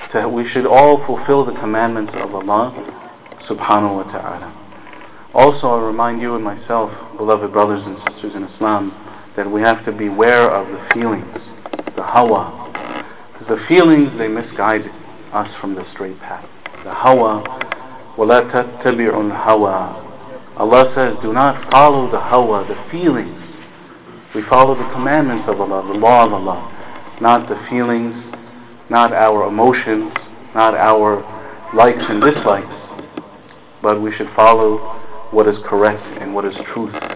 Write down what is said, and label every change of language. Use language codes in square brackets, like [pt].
[en] We should all fulfill the commandments of Allah Subhanahu wa Ta'ala. Also, I remind you and myself, beloved brothers and sisters in Islam, that we have to beware of the feelings, the hawa. Because the feelings, they misguide us from the straight path. [ar] The hawa, وَلَا تَتَّبِعُ الْهَوَى. [en] Allah says, do not follow the hawa, the feelings. We follow the commandments of Allah, the law of Allah, not the feelings, not our emotions, not our likes and dislikes, but we should follow what is correct and what is truth.